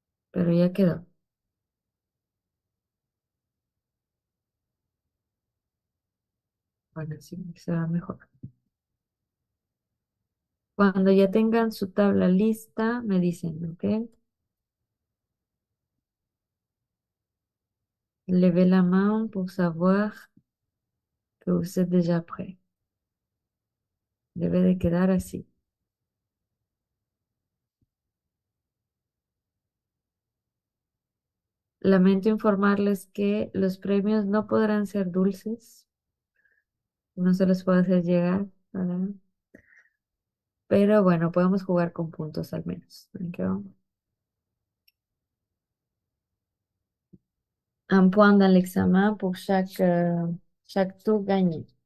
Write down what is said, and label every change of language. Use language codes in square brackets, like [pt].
[es] Pero ya quedó. Bueno, sí, se va mejor. Cuando ya tengan su tabla lista, me dicen, ¿ok? [fr] Levez la main pour savoir que vous êtes déjà prêt. [es] Debe de quedar así. Lamento informarles que los premios no podrán ser dulces. No se los puedo hacer llegar, ¿verdad? Pero bueno, podemos jugar con puntos al menos. [fr] Antoine un point dans l'examen pour chaque tour gagné.